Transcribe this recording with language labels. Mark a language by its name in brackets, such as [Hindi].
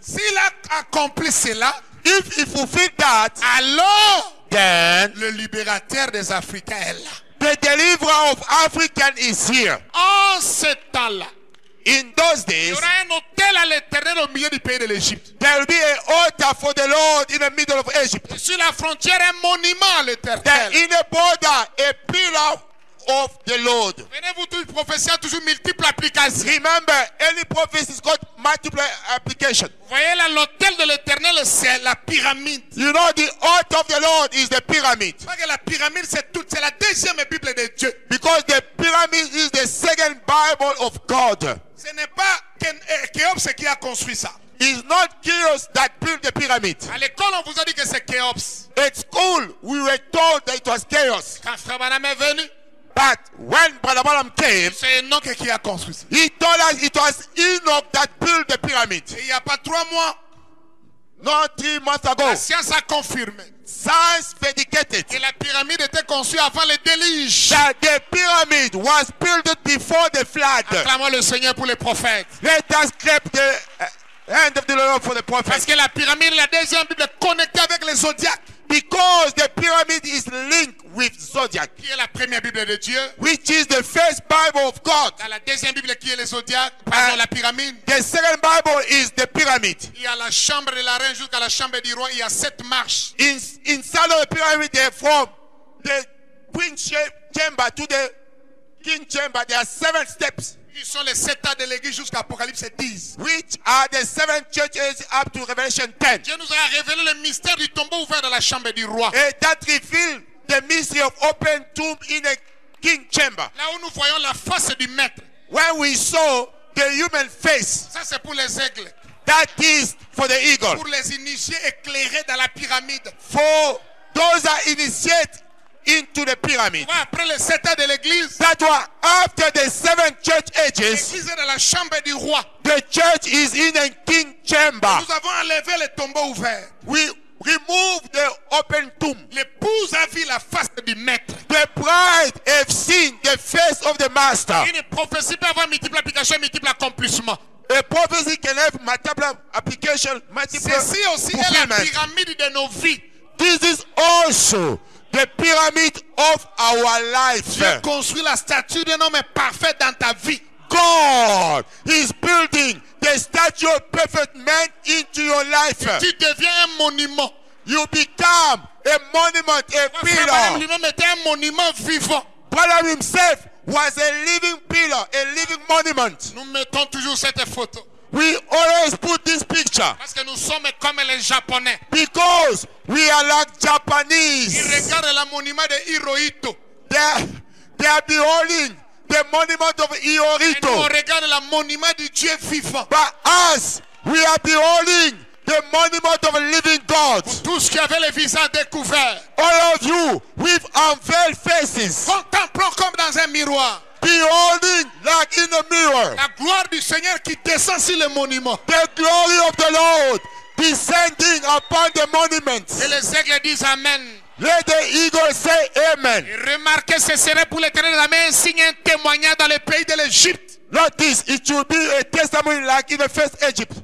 [French] S'il a accompli cela. [English] If he fulfilled that, [French] alors, [English] then, [French] le libérateur des Africains est là. [English] The deliverer of Africa is here. [French] En ce temps-là, [English] in those days, [French] il y aura un hôtel à l'Éternel au milieu du pays de l'Égypte. [English] There will be an altar for the Lord in the middle of Egypt. [French] Et sur la frontière, un monument à l'Éternel. [English] That in the border, a pillar of the Lord. [French] Venez-vous toutes les prophéties ont toujours multiple applications. [English] Remember, any prophecy has got multiple applications. [French] Voyez là, l'hôtel de l'Éternel, c'est la pyramide. [English] You know, the altar of the Lord is the pyramid. [French] Parce que la pyramide, c'est toute, c'est la deuxième Bible de Dieu. [English] Because the pyramid is the second Bible of God. [French] Ce n'est pas Khéops qui a construit ça. [English] It's not Khéops that built the pyramid. [French] À l'école, on vous a dit que c'est Khéops. [English] At school, we were told that it was Khéops. [French] Quand Frère Branham est venu. [English] But when Brother Balaam came, [French] c'est Enoch qui a construit. [English] He told us it was Enoch that built the pyramid. [French] Et il y a pas 3 mois, [English] not 3 months ago, [French] la science a confirmé. [English] Science vindicated. [French] Et la pyramide était construite avant le déluge. [English] That the pyramid was built before the flood. [French] Acclamons le Seigneur pour les prophètes. [English] Let us clap the hand of the Lord for the prophets. [French] Parce que la pyramide, la deuxième Bible, est connectée avec les zodiacs. [English] Because the pyramid is linked with zodiac. [French] Qui est la première Bible de Dieu? [English] Which is the first Bible of God. [French] Dans la deuxième Bible qui est le zodiac, pardon, la pyramide. [English] The second Bible is the pyramid. [French] Il y a la chambre de la reine jusqu'à la chambre du roi. Il y a 7 marches. [English] Inside of the pyramid, they form the queen chamber to the king chamber. There are 7 steps. [French] Qui sont les 7 ans de l'église jusqu'à Apocalypse 10. [English] Which are the 7 churches up to Revelation 10. [French] Dieu nous a révélé le mystère du tombeau ouvert dans la chambre du roi. [English] And that revealed the mystery of open tomb in a king chamber. [French] Là où nous voyons la face du maître. [English] Where we saw the human face. [French] Ça c'est pour les aigles. [English] That is for the eagle. [French] Pour les initiés éclairés dans la pyramide. [English] For those are initiated into the pyramid. [French] Après les sept ans de l'église, [English] that was after the seven church ages. [French] L'église est dans la chambre du roi. [English] The church is in a king chamber. [French] Nous avons enlevé le tombeau ouvert. [English] We remove the open tomb. [French] L'épouse a vu la face du maître. [English] The bride has seen the face of the master. [French] Une prophétie peut avoir multiple application, multiple accomplissement. [English] A prophecy can have multiple application, multiple fulfillment. [French] La pyramide de nos vies. [English] This is also the pyramid of our life. [French] Dieu construit la statue d'un homme parfait dans ta vie. [English] God is building the statue of perfect man into your life. [French] Et tu deviens un monument. [English] You become a monument, a pillar. Brother himself was a living pillar, a living monument. [French] Nous mettons toujours cette photo. [English] We always put this picture. [French] Parce que nous sommes comme les Japonais. [English] Because we are like Japanese. [French] Ils regardent le monument de Hirohito. [English] They are beholding the monument of Hirohito. [French] Et nous regardons le monument du Dieu vivant. [English] But us, we are beholding the monument of a living God. [French] Pour tous qui avaient le visage découvert. [English] All of you with unveiled faces. [French] Contemplons comme dans un miroir. [English] Beholding like in a mirror. [French] La gloire du Seigneur qui descend sur le monument. [English] The glory of the Lord descending upon the monument. [French] Et les aigles disent amen. [English] Let the eagle say amen. [French] Et remarquez, ce serait pour l'Éternel la main, un signe, un témoignage dans le pays de l'Égypte. [English] Like this, it will be a testimony like in the first Egypt.